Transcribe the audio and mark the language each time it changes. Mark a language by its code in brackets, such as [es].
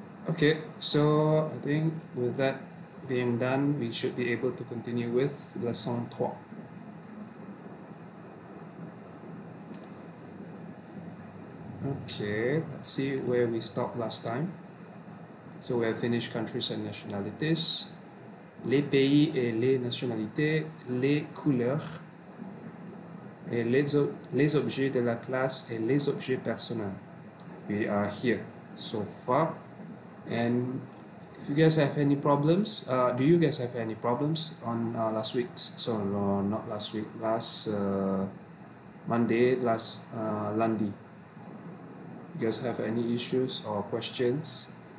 [en] Okay, so I think with that being done, we should be able to continue with lesson 3. Okay, let's see where we stopped last time. So we have finished countries and nationalities. [fr] Les pays et les nationalités, les couleurs, et les objets de la classe et les objets personnels. [en] We are here so far. And if you guys have any problems, do you guys have any problems on last week? So no, not last week, last Monday, last Lundi. You guys have any issues or questions?